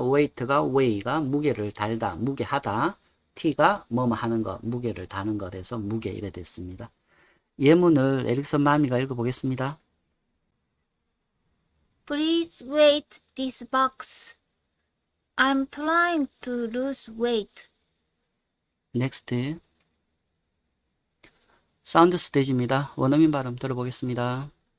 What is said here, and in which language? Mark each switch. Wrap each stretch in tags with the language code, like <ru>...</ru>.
<ko>Weight가 weigh가 무게를 달다, 무게하다. T가 뭐뭐 하는 것, 무게를 다는 것에서 무게 이래 됐습니다. 예문을 에릭슨 마미가 읽어보겠습니다.</ko> <en>Please weight this box. I'm trying to lose weight. Next.</en> <ko>사운드 스테이지입니다. 원어민 발음 들어보겠습니다.</ko>